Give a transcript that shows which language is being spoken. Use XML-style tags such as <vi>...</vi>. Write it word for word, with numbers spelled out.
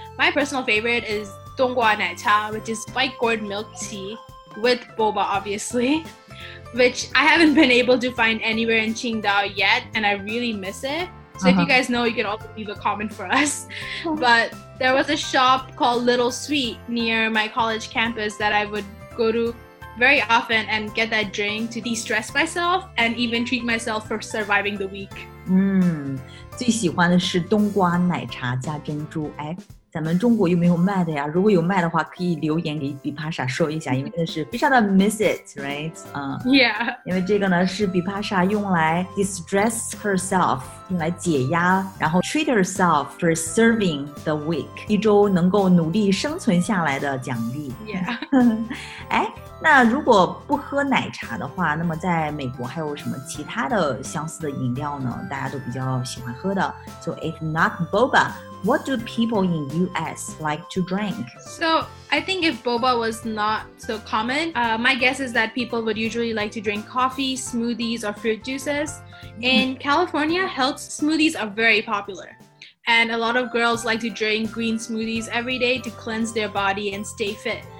<en>My personal favorite is Donghua Nai Cha, which is white gourd milk tea with boba, obviously, which I haven't been able to find anywhere in Qingdao yet, and I really miss it. So uh-huh. if you guys know, you can also leave a comment for us. But there was a shop called Little Sweet near my college campus that I would go to very often and get that drink to de-stress myself and even treat myself for surviving the week.</en> <zh>嗯，最喜欢的是冬瓜奶茶加珍珠。哎，咱们中国有没有卖的呀？如果有卖的话，可以留言给比帕莎说一下，因为真的是非常的</zh> <en>miss it, right?</en> <zh>嗯、uh,</zh> <en>，Yeah.</en> <zh>因为这个呢是比帕莎用来</zh> <en>distress herself，</en> <zh>用来解压，然后</zh> <en>treat herself for serving the week，</en> <zh>一周能够努力生存下来的奖励。</zh> <en>Yeah. 哎。</en> <zh>那如果不喝奶茶的话，那么在美国还有什么其他的相似的饮料呢？大家都比较喜欢喝的。</zh> <en>So if not boba, what do people in U S like to drink? So I think if boba was not so common, uh, my guess is that people would usually like to drink coffee, smoothies, or fruit juices. In California, health smoothies are very popular. And a lot of girls like to drink green smoothies every day to cleanse their body and stay fit.</en>